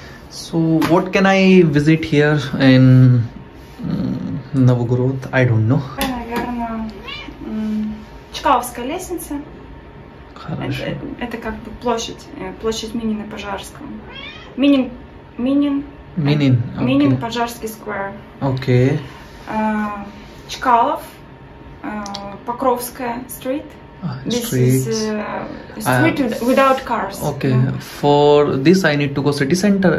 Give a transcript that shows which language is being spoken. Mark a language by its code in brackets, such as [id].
[en] So, what can I visit here in Novogrod? I don't know. [ru] Наверное, Чкаловская лестница. Хорошо. Это как бы площадь Минина Пожарского. Минин. Минин Пожарский сквер. Окей. Чкалов, Покровская стрит. [en] Without cars. Okay. Yeah. For this, I need to go city center.